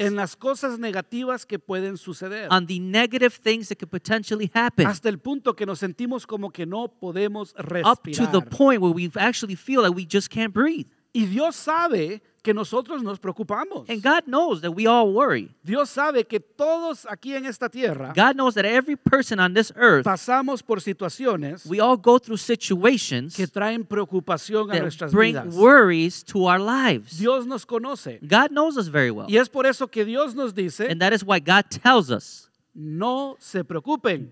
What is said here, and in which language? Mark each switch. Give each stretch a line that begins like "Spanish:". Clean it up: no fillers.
Spanish: En las cosas negativas que pueden suceder.
English: On the negative things that could potentially happen.
Spanish: Hasta el punto que nos sentimos como que no podemos respirar.
English: Up to the point where we actually feel like we just can't breathe.
Spanish: Y Dios sabe que nosotros nos preocupamos.
English: And God knows that we all worry.
Spanish: Dios sabe que todos aquí en esta tierra,
English: God knows that every person on this earth,
Spanish: pasamos por situaciones,
English: we all go through situations
Spanish: que traen preocupación
English: that
Spanish: a nuestras
English: bring
Spanish: vidas.
English: Worries to our lives.
Spanish: Dios nos conoce.
English: God knows us very well.
Spanish: Y es por eso que Dios nos dice,
English: and that is why God tells us,
Spanish: No se preocupen.